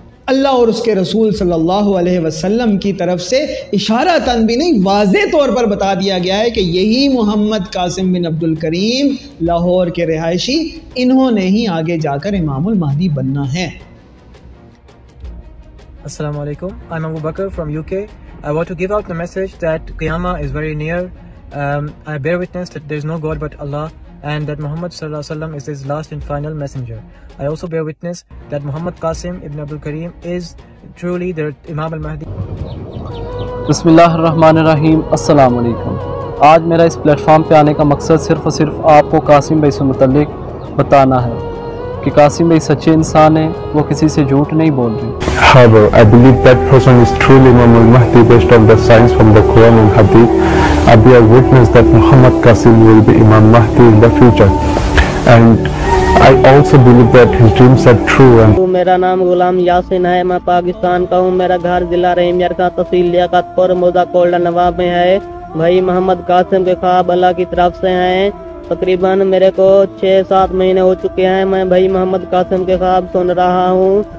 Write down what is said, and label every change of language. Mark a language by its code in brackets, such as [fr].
[ur] اللہ اور اس کے رسول صلی اللہ علیہ وسلم کی طرف سے اشارہ تن بھی نہیں، واضح طور پر بتا دیا گیا ہے کہ یہی محمد قاسم بن عبد الکریم لاہور کے رہائشی، انہوں نے ہی آگے جا کر امام المہدی بننا ہے. [en] السلام علیکم، I'm Abu Bakr from UK. I want to give out the message that Qiyamah is very near. I bear witness that there is no God but Allah and that Muhammad صلی اللہ علیہ وسلم is his last and final messenger. I also bear witness that Muhammad Qasim ibn Abdul Karim is truly the Imam al-Mahdi. [ar] بسم اللہ الرحمن الرحیم، السلام علیکم. [ur] آج میرا اس پلیٹ فارم پہ آنے کا مقصد صرف اور صرف آپ کو قاسم بھائی سے متعلق بتانا ہے کہ قاسم بھائی سچے انسان ہیں، وہ کسی سے جھوٹ نہیں بول رہے. [en] However, I believe that person is truly Imam al-Mahdi based on the signs from the Quran and Hadith. I bear witness that Muhammad Qasim will be Imam Mahdi in the future. And I also believe that his dreams are true. And [ur] میرا نام غلام یاسین ہے، میں پاکستان کا ہوں. میرا گھر ضلع رحیمیر کا، تحصیل لیاقت پور، موضہ کوٹلہ نواب میں ہے. بھائی محمد قاسم کے خواب اللہ کی طرف سے ہیں، تقریباً میرے کو 6-7 مہینے ہو چکے ہیں. میں بھائی محمد قاسم کے خواب سن رہا ہوں.